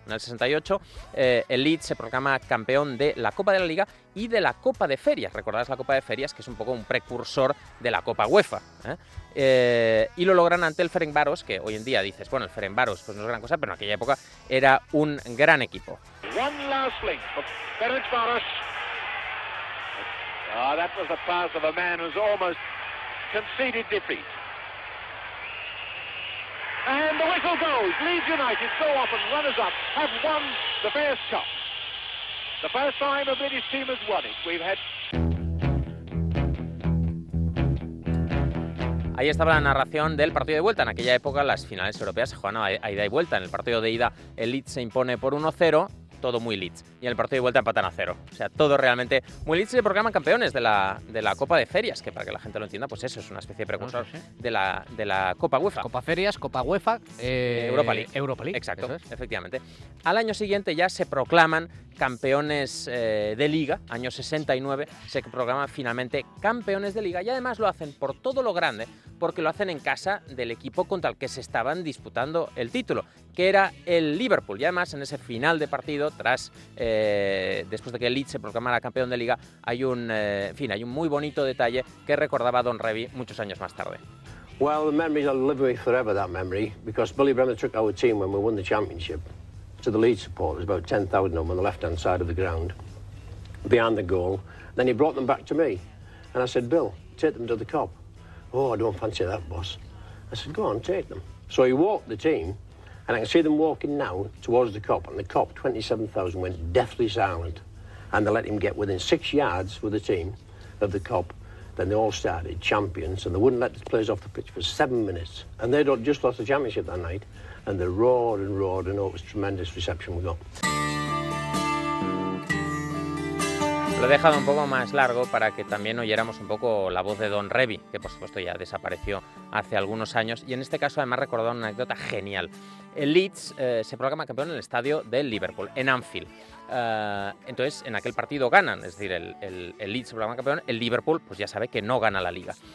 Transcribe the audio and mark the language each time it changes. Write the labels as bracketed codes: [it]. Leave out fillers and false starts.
[es] En el 68, el Leeds se proclama campeón de la Copa de la Liga y de la Copa de Ferias. Recordáis la Copa de Ferias, que es un poco un precursor de la Copa UEFA. Y lo logran ante el Ferencváros, que hoy en día dices, bueno, el Ferencváros pues no es gran cosa, pero en aquella época era un gran equipo. [en] One last link for Ferencváros. Oh, that was the pass of a man who's almost conceded defeat. And the whistle goes. Leeds United, so often runners-up, have won the first cup. The first time a British team has won it. We've had... [es] Ahí estaba la narración del partido de vuelta. En aquella época las finales europeas se jugaban a ida y vuelta. En el partido de ida el Leeds se impone por 1-0, todo muy Leeds. Y en el partido de vuelta empatan a 0. O sea, todo realmente muy Leeds. Se proclaman campeones de la Copa de Ferias, que para que la gente lo entienda, pues eso es una especie de precursor de la Copa UEFA. Copa Ferias, Copa UEFA, Europa League. Exacto, efectivamente. Al año siguiente ya se proclaman campeones de Liga. Año 69 se proclaman finalmente campeones de Liga, y además lo hacen por todo lo grande, porque lo hacen en casa del equipo contra el que se estaban disputando el título, que era el Liverpool. Y además, en ese final de partido, después de que el Leeds se proclamara campeón de Liga, hay un muy bonito detalle que recordaba Don Revy muchos años más tarde. [en] Well, the memory will live with me forever, that memory, because Billy Bremner took our team when we won the championship to the Leeds supporters, about 10,000 of them on the left-hand side of the ground, behind the goal. Then he brought them back to me, and I said, Bill, take them to the cop. Oh, I don't fancy that, boss. I said, go on, take them. So he walked the team, and I can see them walking now towards the cop, and the cop, 27,000, went deathly silent, and they let him get within 6 yards with the team of the cop. Then they all started, champions, and they wouldn't let the players off the pitch for 7 minutes. And they'd just lost the championship that night, and they roared and roared, and it was a tremendous reception we got. [es] Lo he dejado un poco más largo para que también oyéramos un poco la voz de Don Revy, que por supuesto ya desapareció hace algunos años, y en este caso además recordó una anécdota genial. El Leeds se proclama campeón en el estadio del Liverpool, en Anfield. Entonces, en aquel partido ganan, es decir, el Leeds se proclama campeón, el Liverpool pues ya sabe que no gana la Liga.